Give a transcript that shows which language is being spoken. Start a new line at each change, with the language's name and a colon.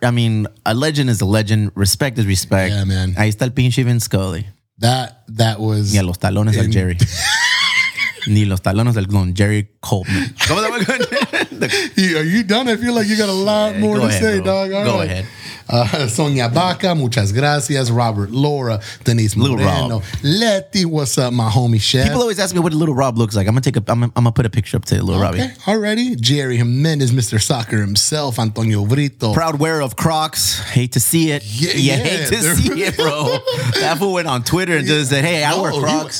English: I mean, a legend is a legend. Respect is respect. Yeah, man.
Spanish: Ahí está el pinche Vince Scully.
English: That was...
Spanish: Y a los talones al Jerry. Ni los talones del clon, Jerry Coleman.
English: Are you done? I feel like you got a lot more to say, dog. Go ahead.
Spanish: Sonia Baca, muchas gracias. Robert Laura, Denise Moreno.
English: Letty, what's up, my homie chef? People always ask me what a little Rob looks like. I'm gonna put a picture up to little Robbie. Okay, already. Jerry Jimenez, Mr. Soccer himself, Antonio Brito. Proud wearer of Crocs. Hate to see it. Yeah, hate to see it, bro. That fool went on Twitter and just said, hey, I wear Crocs.